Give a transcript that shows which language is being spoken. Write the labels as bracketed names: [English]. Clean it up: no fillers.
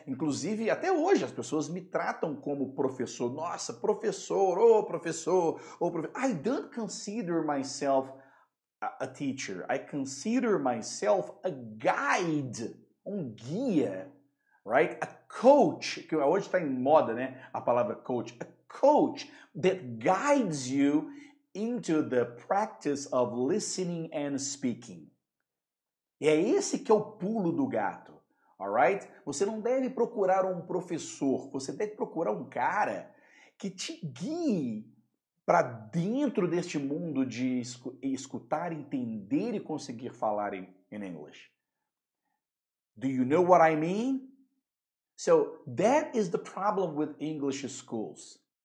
[Portuguese] Inclusive, até hoje, as pessoas me tratam como professor. Nossa, professor, ô professor, ô professor. [English] I don't consider myself a teacher. I consider myself a guide, [Portuguese] um guia, [English] right? [Portuguese] A coach, que hoje está em moda, né? A palavra coach. [English] Coach that guides you into the practice of listening and speaking. [Portuguese] E é esse que é o pulo do gato, [English] all right? [Portuguese] Você não deve procurar um professor, você deve procurar um cara que te guie para dentro deste mundo de escutar, entender e conseguir falar [English] in English. Do you know what I mean? So that is the problem with English schools.